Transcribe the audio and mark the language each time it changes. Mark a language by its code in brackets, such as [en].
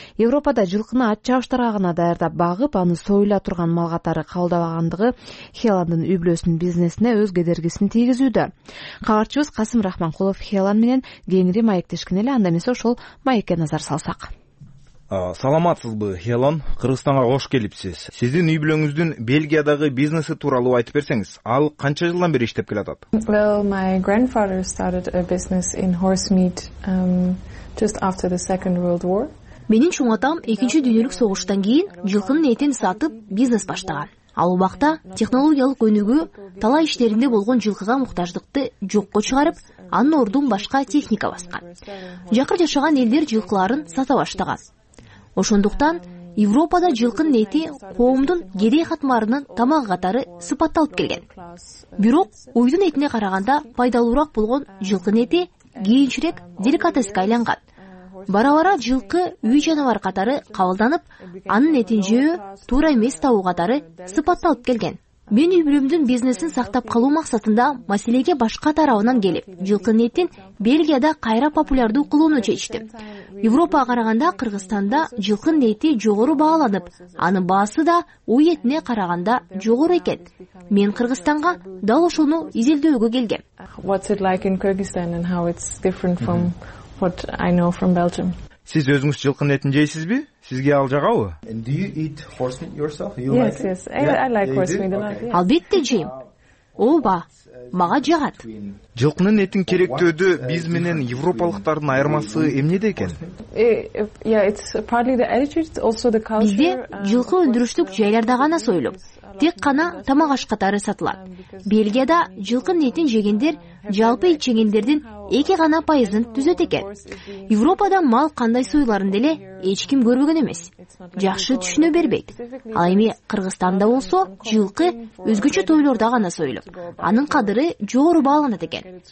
[ky] Европада жылкыны ат чабыштарга гана даярдап багып, аны союла турган мал катары кабылдабагандыгы Хеландын үй бүлөсүнүн бизнесине өз кедергисин тийгизүүдө. Кабарчыбыз Касым Рахманкулов Хеланд менен кеңири маектешкен эле, анда эмесе ошол маекке назар салсак. Саламатсызбы, Хелан, Кыргызстанга кош келипсиз. Сиздин үй бүлөңүздүн Бельгиядагы бизнеси тууралуу айтып берсеңиз, ал канча жылдан бери иштеп келатат? [en] Well, my grandfather started a business in horse meat just after the Second World War. [ky] Менин чоң атам 2-чү дүйнөлүк согуштан кийин жылкынын этин сатып бизнес баштаган. Ал убакта технологиялык өнүгүү талаа иштеринде болгон жылкыга муктаждыкты жокко чыгарып, анын ордун башка техника баскан. Жакыр жашаган элдер жылкыларын сата баштаган. Ошондуктан Европада жылкынын эти коомдун кедей катмарынын тамагы катары сыпатталып келген. Бирок уйдун этине караганда пайдалуураак болгон жылкынын эти кийинчерээк деликатеске айланган. Бара-бара жылкы үй жаныбары катары кабылданып, анын этин жөө туура эмес табуу катары сыпатталып келген. Мен үй бүлөмдүн бизнесин сактап калуу максатында маселеге башка тарабынан келип, жылкынын этин Бельгияда кайра популярдуу кылууну чечтим. Европага караганда Кыргызстанда жылкынын эти жогору бааланып, аны баасы да уй этине караганда жогору экен. Мен Кыргызстанга дал ошону изилдөөгө келгем. [en] What's it like in Kyrgyzstan and how it's different from what I know from Belgium? [ky] Сиз өзүңүз жылкынын этин жейсизби? Сизге ал жагабы? [en] Do you eat horse meat yourself? You yes, like yes. It? Yeah, I like horse meat a lot. [ky] Албетте жейм. Ооба, мага жагат. Жылкынын этин керектөөдө биз менен европалыктардын айырмасы эмнеде экен? [en] Yeah, it's partly the attitude, it's also the culture. [ky] Бизде жылкы өндүрүштүк жайларда гана союлуп, тек гана тамак аш катары сатылат. Бельгияда жылкынын этин жегендер жалпы эт жегендердин 2% түзөт экен. Европада мал кандай союларын деле эч ким көрбөгөн эмес. Жакшы түшүнө бербейт. Ал эми Кыргызстанда болсо, жылкы өзгөчө тойлорда гана союлуп, анын кадыры жогору бааланат экен.